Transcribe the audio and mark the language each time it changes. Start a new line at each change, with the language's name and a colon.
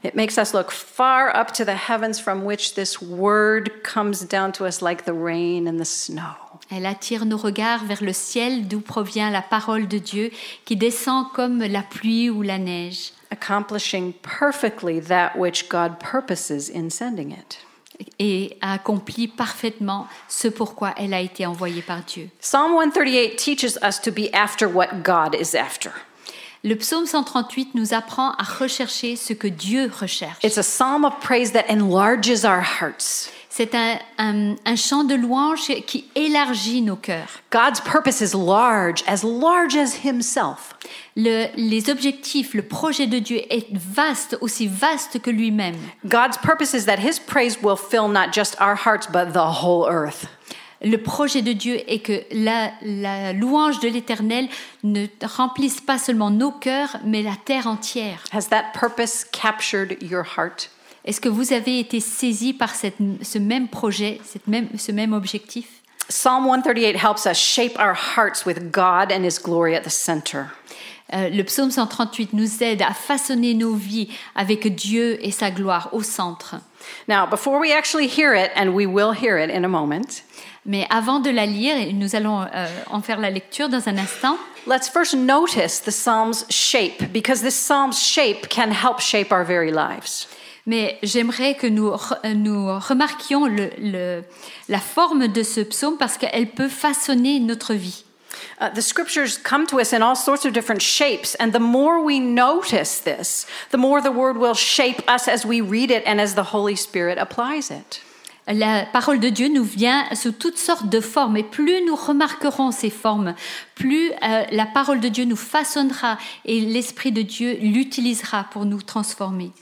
English: It makes us look far up to the heavens from which this word comes down to us like the rain and the snow.
French: Elle attire nos regards vers le ciel d'où provient la parole de Dieu qui descend comme la pluie ou la neige.
English: Accomplishing perfectly that which God purposes in sending it.
French: Et accomplit parfaitement ce pourquoi elle a été envoyée par Dieu.
English: Psalm 138 teaches us to be after what God is after.
French: Le psaume 138 nous apprend à rechercher ce que Dieu recherche.
English: It's a psalm of praise that enlarges our hearts.
French: C'est un chant de louange qui élargit nos cœurs.
English: God's purpose is large as Himself.
French: Les objectifs, le projet de Dieu est vaste, aussi vaste que lui-même.
English: God's purpose is that His praise will fill not just our hearts, but the whole earth.
French: Le projet de Dieu est que la louange de l'Éternel ne remplisse pas seulement nos cœurs, mais la terre entière.
English: Has that purpose captured your heart?
French: Est-ce que vous avez été saisi par ce même projet, ce même objectif?
English: Psalm 138 helps us shape our hearts with God and His glory at the center.
French: Le psaume 138 nous aide à façonner nos vies avec Dieu et sa gloire au centre.
English: Now, before we actually hear it, and we will hear it in a moment.
French: Mais avant de la lire, et nous allons en faire la lecture dans un instant.
English: Let's first notice the psalm's shape, because this psalm's shape can help shape our very lives.
French: Mais j'aimerais que nous remarquions la forme de ce psaume parce qu'elle peut façonner notre vie.
English: The scriptures come to us in all sorts of different shapes, and the more we notice this, the more the word will shape us as we read it and as the Holy Spirit applies it.
French: La parole de Dieu nous vient sous toutes sortes de formes, et plus nous remarquerons ces formes, plus la parole de Dieu nous façonnera et l'Esprit de Dieu l'utilisera pour nous transformer.